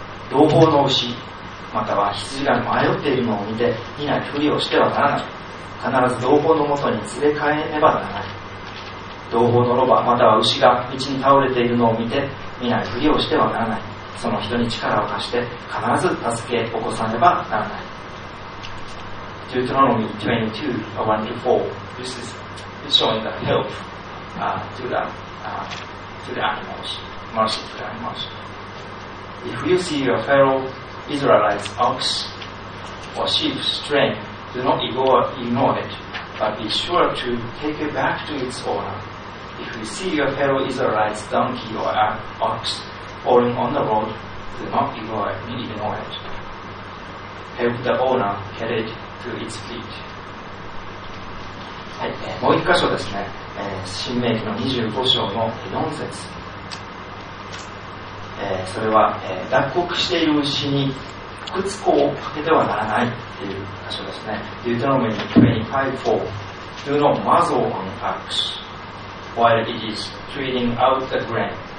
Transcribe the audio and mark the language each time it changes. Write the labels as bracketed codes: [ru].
[ja] 同胞の牛または羊が迷っているのを見て見ないふりをしてはならない。必ず同胞のもとに連れ帰ねばならない。同胞のロバまたは牛が道に倒れているのを見て見ないふりをしてはならない。その人に力を貸して必ず助け起こさねばならない。 [en] Deuteronomy 22:1-4 This is showing the help to the animals, mercy to the animals. If you see your fellow Israelite's ox or sheep straying, do not ignore it, but be sure to take it back to its owner. If you see your fellow Israelite's donkey or ox falling on the road, do not ignore it. Help the owner get it to its feet. [ja] はい、もう一箇所ですね。新命記の25章の4節。それは、脱穀している牛に靴子をかけてはならないという箇所ですね。 [en] Deuteronomy 25:4 Do not muzzle an ox while it is treading out the grain.